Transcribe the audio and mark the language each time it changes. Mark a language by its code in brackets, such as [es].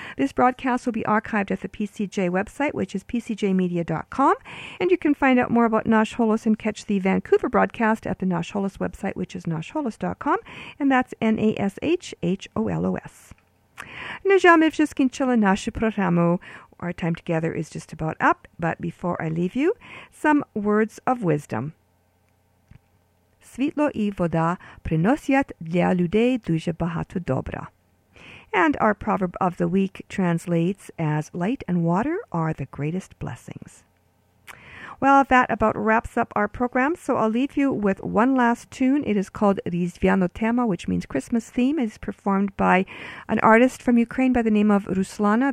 [en] This broadcast will be archived at the PCJ website, which is pcjmedia.com, and you can find out more about Nash Holos and catch the Vancouver broadcast at the Nash Holos website, which is nashholos.com, and that's N-A-S-H-H-O-L-O-S. [uk] Najami Vshiskin Chila Nashi Programu. [en] Our time together is just about up, but before I leave you, some words of wisdom. [uk] Світло і вода приносять для людей дуже багато добра. [en] And our proverb of the week translates as light and water are the greatest blessings. Well, that about wraps up our program, so I'll leave you with one last tune. It is called Rizviano Tema, which means Christmas theme. It is performed by an artist from Ukraine by the name of Ruslana.